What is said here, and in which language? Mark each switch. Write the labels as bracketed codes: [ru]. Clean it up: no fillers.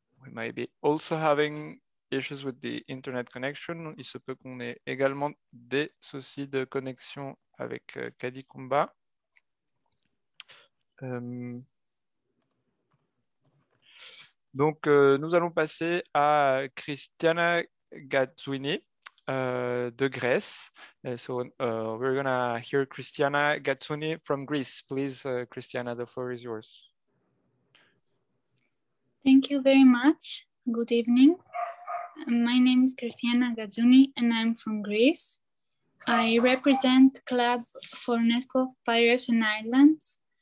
[en] Maybe also having issues with the internet connection. [fr] Il se peut qu'on ait également des soucis de connexion avec Kadi Koumba. Donc, nous allons passer à Christiana Gatswini de Grèce. [en] We're going to hear Christiana Gatswini from Greece. Please, Christiana, the floor is yours. Thank you very much. Good evening. My name is Christiana Gatswini and I'm from Greece. I represent Club for UNESCO Pirates and Islands.